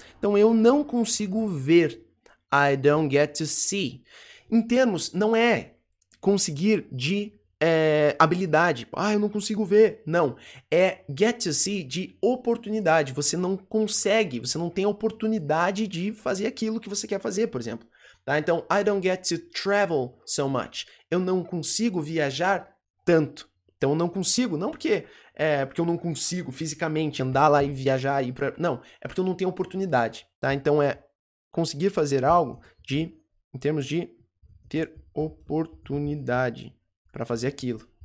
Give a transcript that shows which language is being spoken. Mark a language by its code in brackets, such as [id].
[pt] Então, eu não consigo ver. [en] I don't get to see. [pt] Em termos, não é conseguir de habilidade. Ah, eu não consigo ver. Não. É get to see de oportunidade. Você não consegue, você não tem oportunidade de fazer aquilo que você quer fazer, por exemplo. Tá? [en] Então, I don't get to travel so much. [pt] Eu não consigo viajar tanto. Então, eu não consigo, não porque eu não consigo fisicamente andar lá e viajar e ir pra. Não. É porque eu não tenho oportunidade. Tá? Então, é conseguir fazer algo de, em termos de ter oportunidade para fazer aquilo.